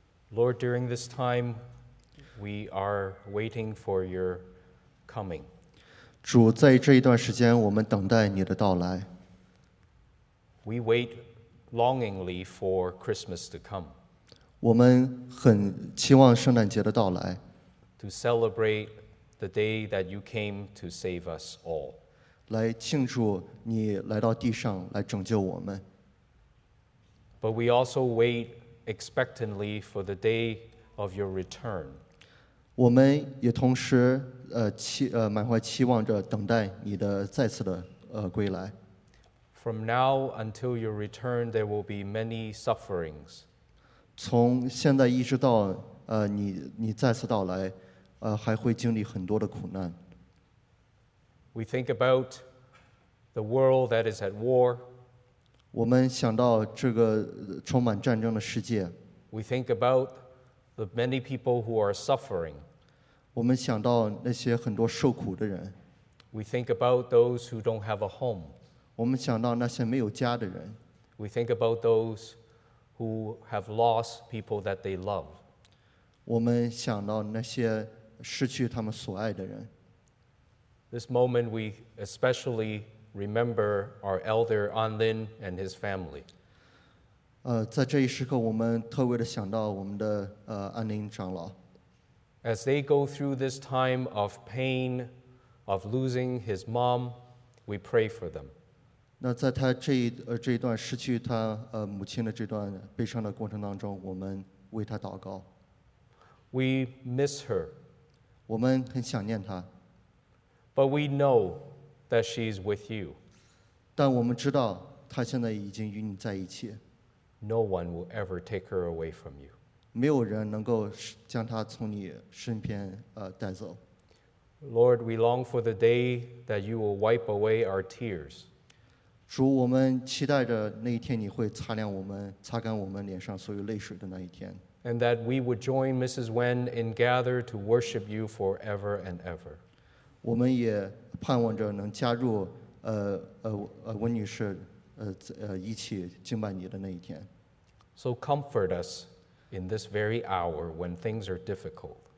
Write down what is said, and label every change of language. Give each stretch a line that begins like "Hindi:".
English: Lord, during this time, we are waiting for your coming.
Chinese: 主，在这一段时间，我们等待你的到来。
English: We wait longingly for Christmas to come.
Chinese: 我们很期望圣诞节的到来。
English: To celebrate the day that you came to save us all.
Chinese: 来庆祝你来到地上来拯救我们。
English: But we also wait expectantly for the day of your return.
Chinese: 我们也同时满怀期望着等待你的再次的归来。
English: From now until your return, there will be many sufferings.
Chinese: 从现在一直到你再次到来，还会经历很多的苦难。
English: We think about the world that is at war.
Chinese: 我们想到这个充满战争的世界。
English: We think about the many people who are suffering.
Chinese: 我们想到那些很多受苦的人。
English: We think about those who don't have a home.
Chinese: 我们想到那些没有家的人。
English: We think about those who have lost people that they love.
Chinese: 我们想到那些失去他们所爱的人。
English: This moment we especially remember our elder An Lin and his family.
Chinese: 在这一时刻我们特别的想到我们的安林长老。
English: As they go through this time of pain of losing his mom, we pray for them.
Chinese: 那在他这一段失去他母亲的这段悲伤的过程当中，我们为他祷告。
English: We miss her.
Chinese: 我们很想念她。
English: But we know that she is with you.
Chinese: 但我们知道她现在已经与你在一起。
English: No one will ever take her away from you.
Chinese: 没有人能够将她从你身边带走。
English: Lord, we long for the day that you will wipe away our tears.
Chinese: 主，我们期待着那一天你会擦干我们脸上所有泪水的那一天。
English: And that we would join Mrs. Wen in gather to worship you forever and ever.
Chinese: 我们也盼望着能加入温女士一起敬拜你的那一天。
English: So comfort us in this very hour when things are difficult.